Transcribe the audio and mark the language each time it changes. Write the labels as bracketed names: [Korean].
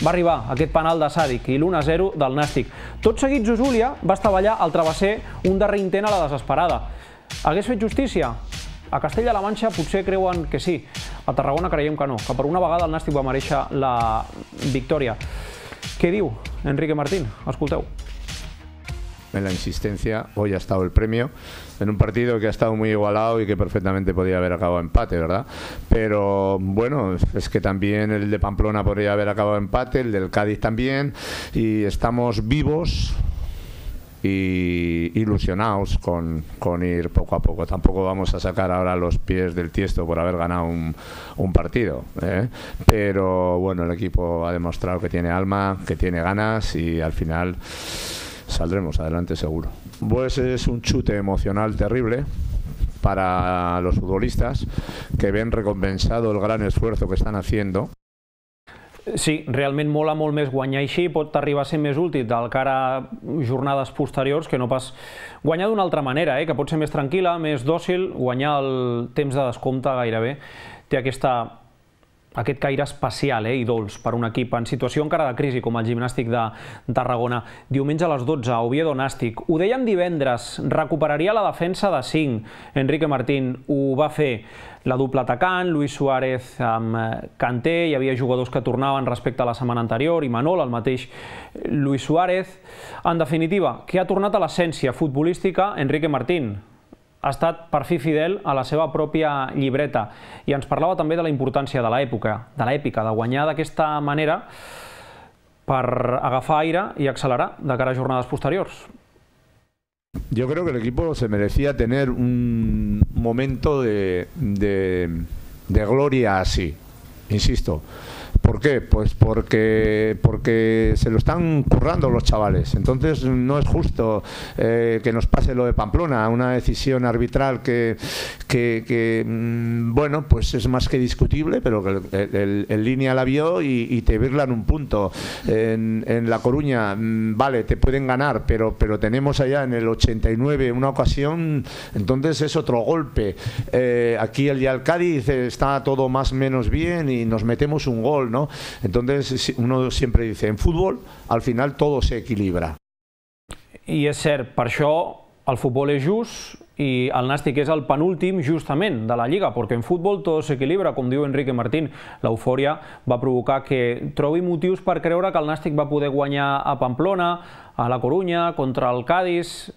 [Catalan] Va arribar aquest penal de Sàdic i l'1-0 del Nàstic. Tot seguit, Zuzulia va estavellar al travesser un darrer intent a la desesperada. Hagués fet justícia? A Castella-La Manxa potser creuen que sí, a Tarragona creiem que no, que per una vegada el Nàstic va mereixer la victòria. Què diu Enrique Martín? Escolteu. [Spanish] En la insistencia, hoy ha estado el premio en un partido que ha estado muy igualado y que perfectamente podía haber acabado empate, ¿verdad? Pero bueno, es que también el de Pamplona podría haber acabado empate, el del Cádiz también, y estamos vivos y ilusionados con ir poco a poco. Tampoco vamos a sacar ahora los pies del tiesto por haber ganado un partido, ¿eh? Pero bueno, el equipo ha demostrado que tiene alma, que tiene ganas y al final saldremos adelante seguro. Pues es un chute emocional terrible para los futbolistas que ven recompensado el gran esfuerzo que están haciendo. [Catalan] Sí, realment mola molt més guanyar així i pot arribar a ser més útil del que ara jornades posteriors que no pas guanyar d'una altra manera, que pot ser més tranquil·la, més dòcil, guanyar el temps de descompte gairebé. Té aquest caire especial i dolç per un equip en situació encara de crisi com el Gimnàstic de Tarragona. Diumenge a les 12, Oviedo Nàstic. Ho dèiem divendres, recuperaria la defensa de 5. Enrique Martín ho va fer. La doble atacant, Luis Suárez amb Kanté, hi havia jugadors que tornaven respecte a la setmana anterior, i Manol, el mateix Luis Suárez. En definitiva, què ha tornat a l'essència futbolística Enrique Martín? Ha estat per fi fidel a la seva pròpia llibreta i ens parlava també de la importància de l'època, de l'èpica, de guanyar d'aquesta manera per agafar aire i accelerar de cara a jornades posteriors. [Spanish] Yo creo que el equipo se merecía tener un momento de gloria así, insisto. ¿Por qué? Pues porque se lo están currando los chavales. Entonces no es justo que nos pase lo de Pamplona, una decisión arbitral que bueno, pues es más que discutible, pero que el línea la vio y te virlan un punto. En La Coruña, vale, te pueden ganar, pero tenemos allá en el 89 una ocasión, entonces es otro golpe. Aquí el Real Cádiz está todo más menos bien y nos metemos un gol, ¿no? Entonces uno siempre dice, en fútbol al final todo se equilibra. [Catalan] I és cert, per això el futbol és just i el Nàstic és el penúltim justament de la Lliga, perquè en futbol tot s'equilibra, com diu Enrique Martín. L'eufòria va provocar que trobi motius per creure que el Nàstic va poder guanyar a Pamplona, a la Corunya, contra el Cádiz.